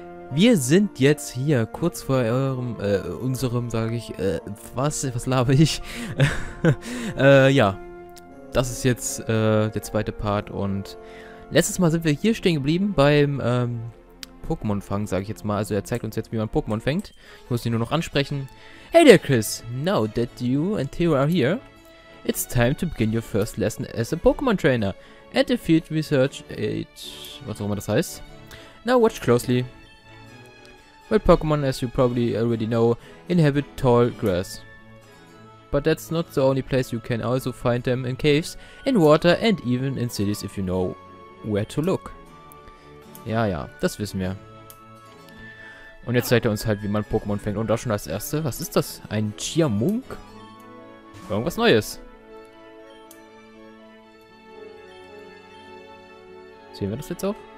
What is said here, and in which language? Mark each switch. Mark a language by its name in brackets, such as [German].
[German] Wir sind jetzt hier kurz vor eurem, unserem, sage ich, was laber ich? ja, das ist jetzt der zweite Part und letztes Mal sind wir hier stehen geblieben beim Pokémon Fang, sage ich jetzt mal. Also er zeigt uns jetzt, wie man Pokémon fängt. Ich muss ihn nur noch ansprechen. [English] Hey there, Chris. Now that you and Theo are here, it's time to begin your first lesson as a Pokémon Trainer. At the Field Research Aid, [German] was auch immer das heißt. [English] Now watch closely. Well, Pokémon, as you probably already know, inhabit tall grass. But that's not the only place you can also find them, in caves, in water and even in cities if you know where to look. [German] Ja, ja, das wissen wir. Und jetzt zeigt er uns halt, wie man Pokémon fängt. Und auch schon als Erste, was ist das? Ein Chiamunk? Irgendwas Neues. Sehen wir das jetzt auch?